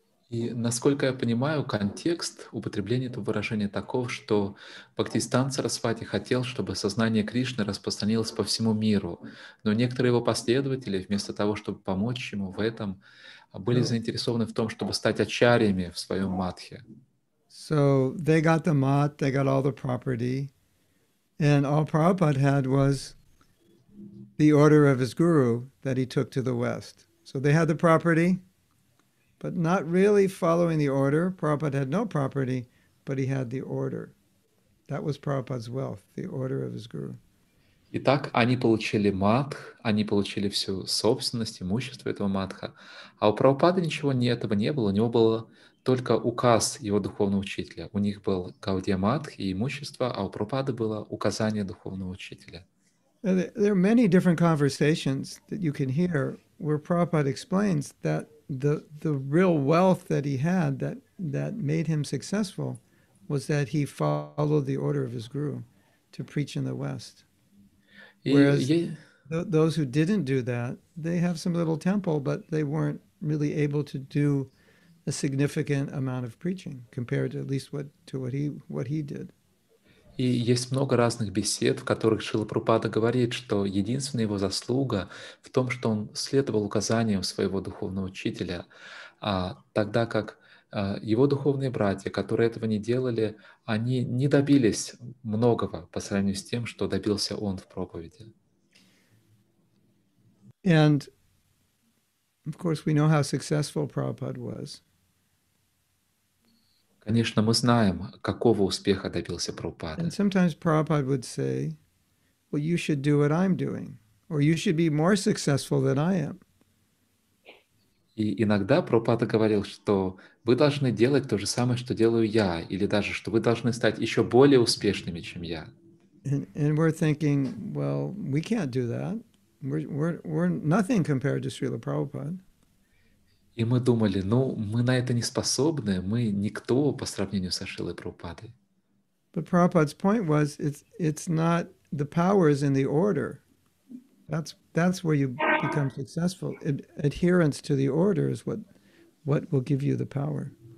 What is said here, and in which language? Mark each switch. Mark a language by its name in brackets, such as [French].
[Russian] И насколько я понимаю, контекст употребления этого выражения таков, что Бхактистан Сарасвати хотел, чтобы сознание Кришны распространилось по всему миру, но некоторые его последователи, вместо того, чтобы помочь ему в этом, были заинтересованы в том, чтобы стать ачарьями в своем матхе. [English] So they got the mat, they got all the property. And all Prabhupada had was the order of his guru that he took to the West. So they had the property, but not really following the order. Prabhupada had no property, but he had the order. That was Prabhupada's wealth, the order of his guru. [Russian] Итак, они получили матх, они получили всю собственность, имущество этого матха. А у Прабхупады ничего этого не было. У него был только указ его духовного учителя. У них был Гаудия Матх и имущество, а у Прабхупады было указание духовного учителя. [English] There are many different conversations that you can hear where Prabhupada explains that the real wealth that he had that made him successful was that he followed the order of his guru to preach in the West. Whereas those who didn't do that, they have some little temple, but they weren't really able to do a significant amount of preaching compared to at least what he did. [Russian] И есть много разных бесед, в которых Шрила Прабхупада говорит, что единственная его заслуга в том, что он следовал указаниям своего духовного учителя, тогда как его духовные братья, которые этого не делали, они не добились многого по сравнению с тем, что добился он в проповеди. [English] And of course we know how successful Prabhupada was. [Russian] Конечно, мы знаем, какого успеха добился Прабхупада. [English] And sometimes Prabhupada would say, well, you should do what I'm doing, or you should be more successful than I am. [Russian] И иногда Прабхупада говорил, что вы должны делать то же самое, что делаю я, или даже, что вы должны стать еще более успешными, чем я. [English] And we're thinking, well, we can't do that. We're nothing compared to Srila Prabhupada. [Russian] И мы думали, ну, мы на это не способны, мы никто по сравнению со Шрилой Прабхупадой. [English] But Prabhupada's point was, it's not the power is in the order. That's where you become successful. Adherence to the order is what will give you the power.